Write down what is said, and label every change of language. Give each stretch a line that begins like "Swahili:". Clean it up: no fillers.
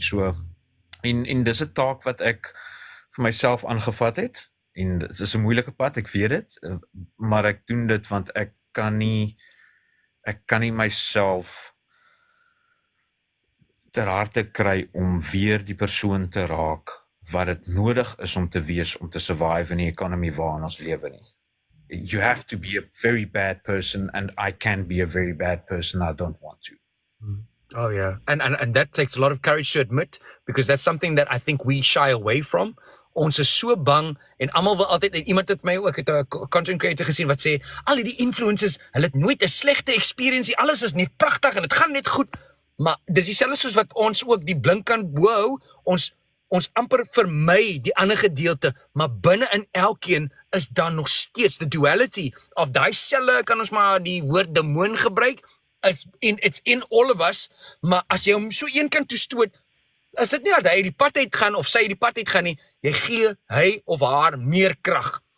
Afrikaans: So en dis 'n taak wat ek vir myself aangevat het, en dit is 'n moeilike pad, ek weet dit, maar ek doen dit want ek kan nie myself ter harte kry om weer die persoon te raak wat dit nodig is om te wees om te survive in die ekonomie waarin ons lewe nie.
English: You have to be a very bad person, and I can be a very bad person. I don't want to. Oh yeah, and that takes a lot of courage to admit, because that's something that I think we shy away from.
Afrikaans: Ons is so bang, en almal wil altyd, en iemand het my ook, het 'n content creator gesien wat sê, al die influencers, hulle het nooit 'n slegte experience, alles is net pragtig en dit gaan net goed. Maar dis dieselfde soos wat ons ook die blinkkant bo hou, ons amper vermy die ander gedeelte, maar binne in elkeen is dan nog steeds
English: the duality of
Afrikaans: daai selle, kan ons maar die woord demoon gebruik, is in
English: it's in all of us,
Afrikaans: maar as jy hom so een kant toe stoot, is dit nie dat hy die pad uit gaan of sy die pad uit gaan nie, jy gee hy of haar meer krag.